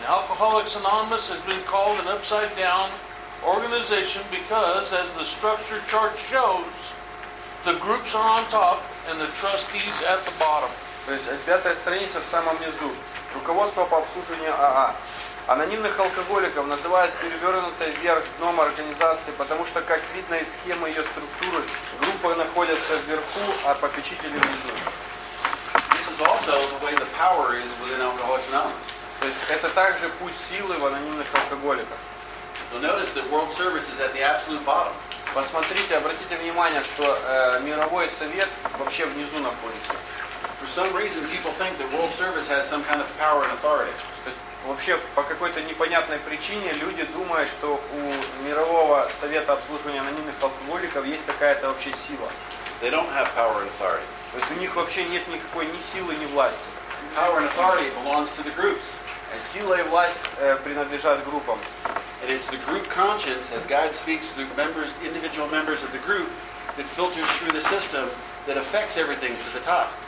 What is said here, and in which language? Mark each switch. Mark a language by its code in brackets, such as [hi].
[en] Alcoholics Anonymous has been called an upside-down organization because, as the structure chart shows, the groups are on top and the trustees at the bottom. [ru] То есть пятая страница в самом низу. Руководство по обслуживанию АА. Анонимных алкоголиков называют перевернутой вверх дном организации, потому что, как видно из схемы ее структуры, группы находятся вверху, а попечители внизу. [en] This is also the way the power is within Alcoholics Anonymous. [ru] То есть это также путь силы в анонимных алкоголиках. [en] So notice that World Service is at the absolute bottom. [ru] Посмотрите, обратите внимание, что мировой совет вообще внизу находится. [en] For some reason, people think that World Service has some kind of power and authority. [ru] Вообще, по какой-то непонятной причине, люди думают, что у Мирового Совета Обслуживания Анонимных Алкоголиков есть какая-то вообще сила. [en] They don't have power and authority. [ru] То есть у них вообще нет никакой ни силы, ни власти. [en] Power and authority belongs to the groups. [ru] Сила и власть принадлежат группам. [en] And it's the group conscience, as God speaks to the members, individual members of the group, that filters through the system that affects everything to the top.